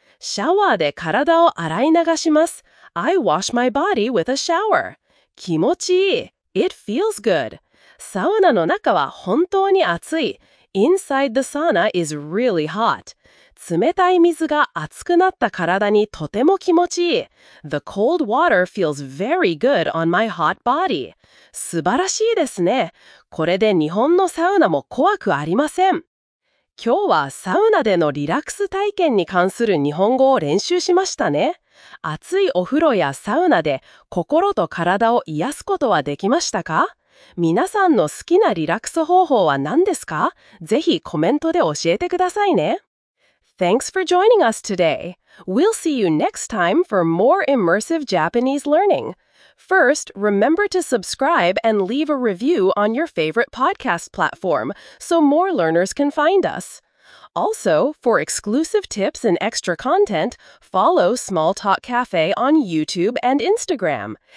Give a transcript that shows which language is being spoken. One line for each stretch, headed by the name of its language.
Japanese: シャワーで体を洗い流します。
English: I wash my body with a shower.
Japanese: 気持ちいい。
English: It feels good.
Japanese: サウナの中は本当に暑い。
English: Inside the sauna is really hot.
Japanese: 冷たい水が熱くなった体にとても気持ちいい。
English: The cold water feels very good on my hot body.
Japanese: 素晴らしいですね。これで日本のサウナも怖くありません。今日はサウナでのリラックス体験に関する日本語を練習しましたね。熱いお風呂やサウナで心と体を癒すことはできましたか？皆さんの好きなリラックス方法は何ですか？ぜひコメントで教えてくださいね。
English: Thanks for joining us today. We'll see you next time for more immersive Japanese learning. First, remember to subscribe and leave a review on your favorite podcast platform so more learners can find us. Also, for exclusive tips and extra content, follow Small Talk Cafe on YouTube and Instagram.